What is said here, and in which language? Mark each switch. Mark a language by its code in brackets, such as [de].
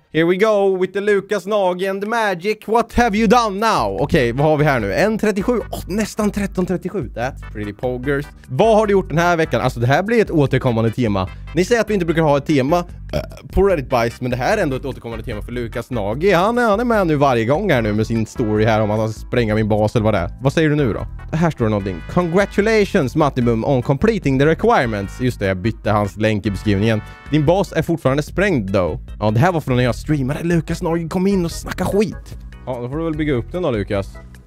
[en] Here we go with the Lucas Nagy and the magic. What have you done now? [sv] Okej, okay, vad har vi här nu? 1.37. Oh, nästan 13.37. [en] That's pretty poggers. [sv] Vad har du gjort den här veckan? Alltså det här blir ett återkommande tema. Ni säger att vi inte brukar ha ett tema på Reddit Bice, men det här är ändå ett återkommande tema för Lucas Nagy. Han är med nu varje gång här nu med sin story här om att han spränger min bas eller vad det är. Vad säger du nu då? Här står det någonting. [en] Congratulations Mattibum on completing the requirements. [sv] Just det, jag bytte hans länk i beskrivningen. Din bas är fortfarande sprängd though. Ja, det här var från när jag streamade. Lucas Nagy, kom in och snacka skit. Ja, då får du väl bygga upp den då, Lucas.